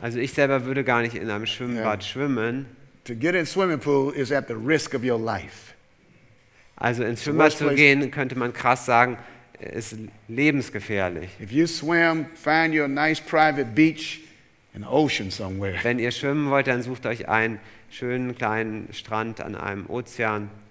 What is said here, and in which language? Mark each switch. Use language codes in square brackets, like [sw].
[de] Also ich selber würde gar nicht in einem Schwimmbad schwimmen. [en] To get in a swimming pool is at the risk of your life. [de] Also ins Schwimmbad zu gehen, könnte man krass sagen, ist lebensgefährlich. [en] If you swim, find you a nice private beach in the ocean somewhere. [de] Wenn ihr schwimmen wollt, dann sucht euch einen schönen kleinen Strand an einem Ozean.